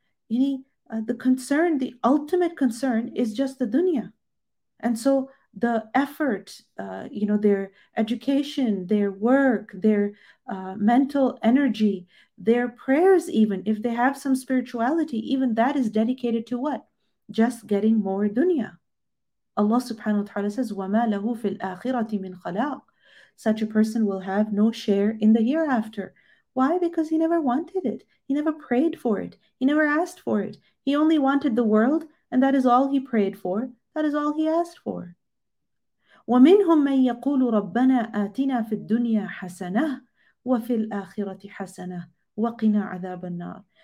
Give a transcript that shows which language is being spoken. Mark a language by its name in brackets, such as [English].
[English] The concern, the ultimate concern, is just the dunya. And so the effort, their education, their work, their mental energy, their prayers, even if they have some spirituality, even that is dedicated to what? Just getting more dunya. [Arabic] Allah subhanahu wa ta'ala says, وَمَا لَهُ فِي الْآخِرَةِ مِنْ خَلَاقٍ. [English] Such a person will have no share in the hereafter. Why? Because he never wanted it. He never prayed for it. He never asked for it. He only wanted the world, and that is all he prayed for. [Arabic] That is all he asked for. وَمِنْهُمْ مَنْ يَقُولُ رَبَّنَا آتِنَا فِي الدُّنْيَا حَسَنَةً وَفِي الْآخِرَةِ حَسَنَةً وَقِنَا عَذَابَ النَّارِ.